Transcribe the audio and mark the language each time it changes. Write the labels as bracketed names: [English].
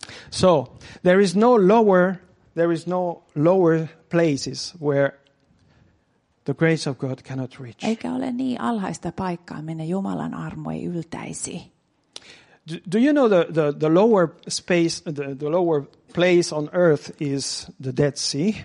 [English] So there is no lower places where the grace of God cannot reach. [Finnish] Eikä ole niin alhaista paikkaa, minne Jumalan armo ei yltäisi. [English] Do you know the lower space, the lower place on earth is the Dead Sea?